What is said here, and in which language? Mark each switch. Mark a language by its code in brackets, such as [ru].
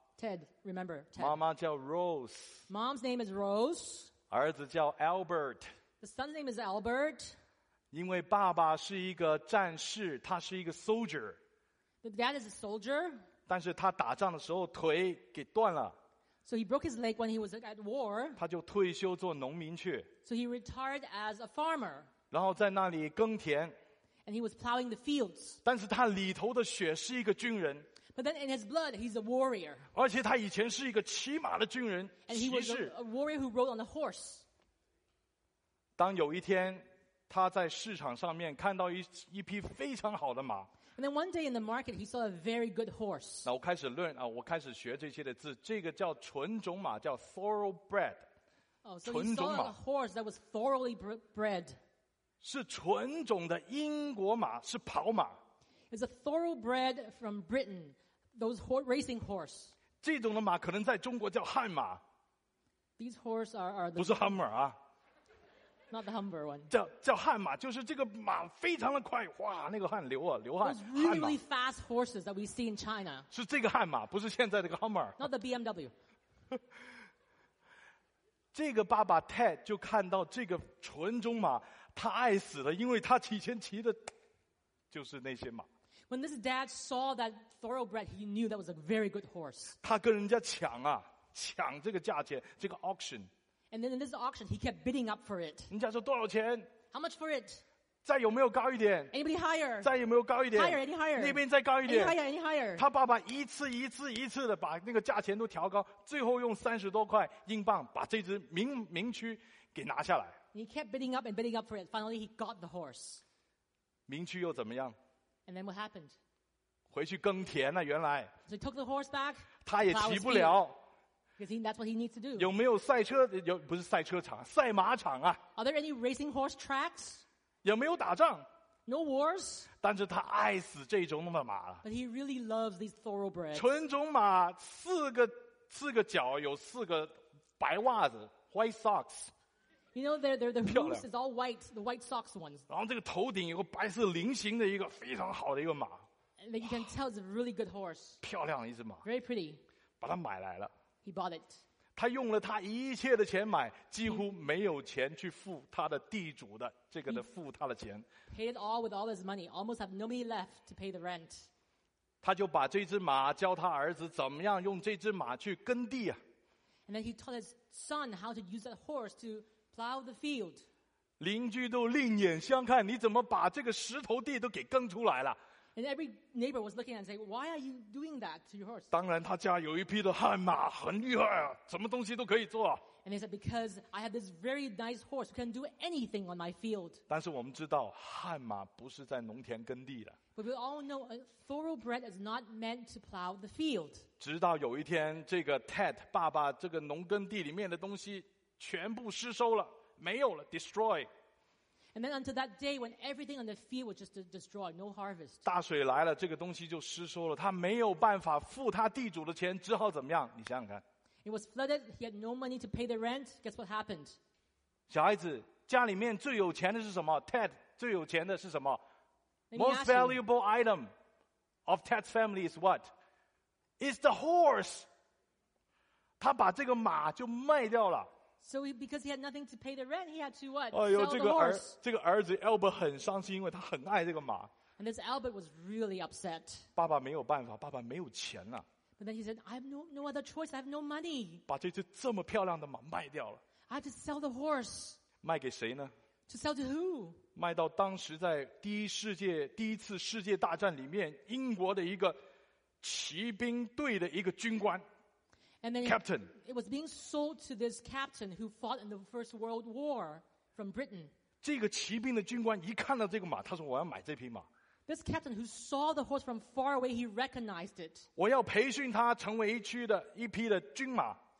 [en] Ted, remember. Ted. [zh] 妈妈叫 Rose. [en] Mom's name is Rose. [zh] 儿子叫 Albert. [en] The son's name is Albert. [zh] 因为爸爸是一个战士，他是一个 soldier. [en] The dad is a soldier. [zh] 但是他打仗的时候腿给断了。 [en] So he broke his leg when he was at war. [zh] 他就退休做农民去。 [en] So he retired as a farmer. [zh] 然后在那里耕田。 [en] And he was plowing the fields. [zh] 但是他里头的血是一个军人。 [en] But then in his blood, he's a warrior. [zh] 而且他以前是一个骑马的军人。 [en] And he was a warrior who rode on a horse. [zh] 当有一天他在市场上面看到一匹非常好的马。 [en] And then one day in the market, he saw a very good horse. [zh] 那我开始learn啊，我开始学这些的字。这个叫纯种马，叫 thoroughbred。纯种马。 [en] Oh, so he saw a horse that was thoroughly bred. [zh] 是纯种的英国马，是跑马。 [en] It's a thoroughbred from Britain, those racing horse. [zh] 这种的马可能在中国叫悍马。 [en] These horse are the [zh] 不是 Hummer 啊。 [en] Not the Humber one. [zh] 叫悍马，就是这个马非常的快，哇，那个汗流啊，流汗。 [en] Those really, really fast horses that we see in China. [zh] 是这个悍马，不是现在这个 Humber. [en] Not the BMW. [zh] 这个爸爸 Ted 就看到这个纯种马，他爱死了，因为他以前骑的就是那些马。 [en] When this dad saw that thoroughbred, he knew that was a very good horse. [zh] 他跟人家抢啊，抢这个价钱，这个 auction. [en] And then in this auction, he kept bidding up for it. [zh] 人家说多少钱 [en] ？How much for it？ [zh] 再有没有高一点 [en] ？Anybody higher？ [zh] 再有没有高一点 [en] ？Higher, any higher？ [zh] 那边再高一点 [en] ？Any higher, any higher？ [zh] 他爸爸一次一次一次的把那个价钱都调高，最后用30多块英镑把这只名驹给拿下来。 [en] He kept bidding up and bidding up for it. Finally, he got the horse. [zh] 名驹又怎么样 [en] ？And then what happened？ [zh] 回去耕田了，原来。 [en] So he took the horse back. [zh] 他也骑不了。 [en] Because that's what he needs to do. [zh] 有没有赛车？有不是赛车场，赛马场啊。 [en] Are there any racing horse tracks? [zh] 有没有打仗 [en] ？No wars. [zh] 但是他爱死这种的马了。 [en] But he really loves these thoroughbreds. [zh] 纯种马，四个脚，有四个白袜子 ， [en] white socks. You know the hooves is all white, the white socks ones. [zh] 然后这个头顶有个白色菱形的一个非常好的一个马。 [en] that you can tell is a really good horse. [zh] 漂亮一只马。 [en] Very pretty. [zh] 把它买来了。 [en] He bought it. [zh] 他用了他一切的钱买，几乎没有钱去付他的地主的这个的付他的钱。 [en] He paid it all with all his money. Almost have no money left to pay the rent. [zh] 他就把这只马教他儿子怎么样用这只马去耕地啊。 [en] And then he taught his son how to use that horse to plow the field. [zh] 邻居都另眼相看，你怎么把这个石头地都给耕出来了？ [en] And every neighbor was looking and saying, why are you doing that to your horse? [zh] 当然他家有一匹的悍马很厉害啊，什么东西都可以做啊。 [en] And they said, because I have this very nice horse, can do anything on my field. [zh] 但是我们知道悍马不是在农田耕地的。 [en] But we all know a thoroughbred is not meant to plow the field. [zh] 直到有一天这个 Ted 爸爸这个农耕地里面的东西全部失收了，没有了， destroy。 [en] And then until that day when everything on the field was just destroyed, no harvest. [zh] 大水来了，这个东西就失收了，他没有办法付他地主的钱，只好怎么样？你想想看。 [en] It was flooded, he had no money to pay the rent. Guess what happened? [zh] 小孩子，家里面最有钱的是什么？ Ted 最有钱的是什么？ [en] Most valuable item of Ted's family is what? It's the horse. [zh] 他把这个马就卖掉了。 [en] So because he had nothing to pay the rent, he had to what? Sell the horse. [zh] 这个儿子 Albert 很伤心，因为他很爱这个马。 [en] And this Albert was really upset. [zh] 爸爸没有办法，爸爸没有钱了。 [en] But then he said, I have no other choice. I have no money. [zh] 把这只这么漂亮的马卖掉了。 [en] I have to sell the horse. [zh] 卖给谁呢？ [en] To sell to who? [zh] 卖到当时在第一次世界大战里面英国的一个骑兵队的一个军官。 [en] And then captain. It was being sold to this captain who fought in the First World War from Britain. [zh] 这个骑兵的军官一看到这个马，他说：“我要买这匹马。” [en] This captain who saw the horse from far away, he recognized it. [zh] 我要培训他成为一匹的军马。